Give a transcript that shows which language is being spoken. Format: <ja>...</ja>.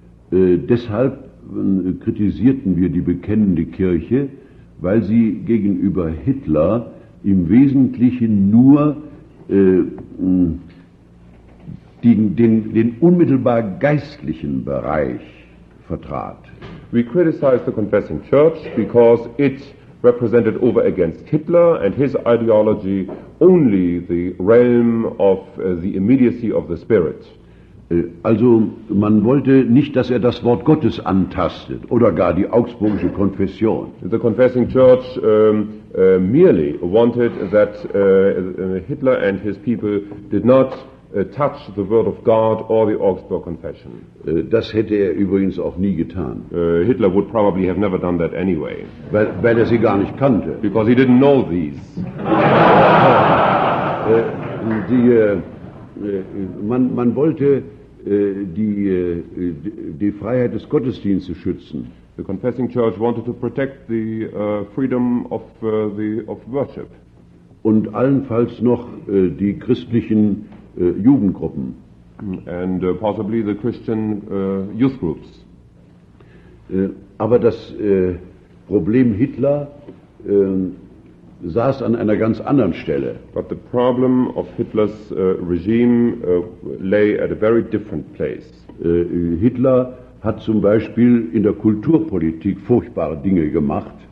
<de>Deshalb kritisierten wir die bekennende Kirche, weil sie gegenüber Hitler im Wesentlichen nur den unmittelbar geistlichen Bereich.</de> <en>We criticized the confessing church because it represented over against Hitler and his ideology only the realm of the immediacy of the spirit.</en> <de>Also man wollte nicht, dass das Wort Gottes antastet oder gar die Augsburgische Konfession.</de> <en>The confessing church merely wanted that Hitler and his people did not touch the word of God or the Augsburg Confession.</en> <de>Das hätte er übrigens auch nie getan.</de> <en>Hitler would probably have never done that anyway.</en> <de>Weil er sie gar nicht kannte.</de> <en>Because he didn't know these.</en> <de>Man wollte die Freiheit des Gottesdienstes schützen.</de> <en>The confessing church wanted to protect the freedom of worship.</en> <de>Und allenfalls noch die christlichen Jugendgruppen.</de> <en>And possibly the Christian youth groups.</en> <de>Aber das Problem Hitler saß an einer ganz anderen Stelle.</de> <en>But the problem of Hitler's regime lay at a very different place.</en> <de>Hitler hat zum Beispiel in der Kulturpolitik furchtbare Dinge gemacht.</de>